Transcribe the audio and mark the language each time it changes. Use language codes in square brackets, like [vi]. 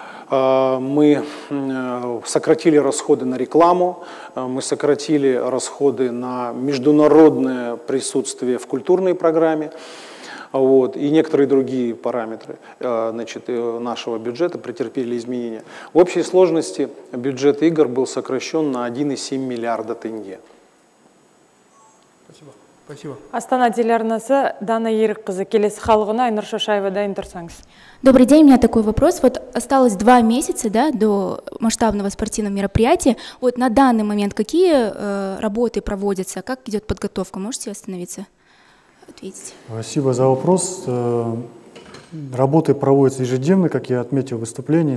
[ru] Мы сократили расходы на рекламу, мы сократили расходы на международное присутствие в культурной программе. Вот, и некоторые другие параметры, значит, нашего бюджета претерпели изменения. В общей сложности бюджет игр был сокращен на 1,7 миллиарда тенге. Спасибо. Спасибо. [kk] Астана телеарнасы Дана Ерікқызы, келесі халығына Айнұр Шашаева дайын тұрсаңыз. [ru] Добрый день, у меня такой вопрос. Вот осталось 2 месяца, да, до масштабного спортивного мероприятия. Вот на данный момент какие работы проводятся, как идет подготовка? Можете остановиться? Спасибо за вопрос. Работы проводятся ежедневно, как я отметил в выступлении.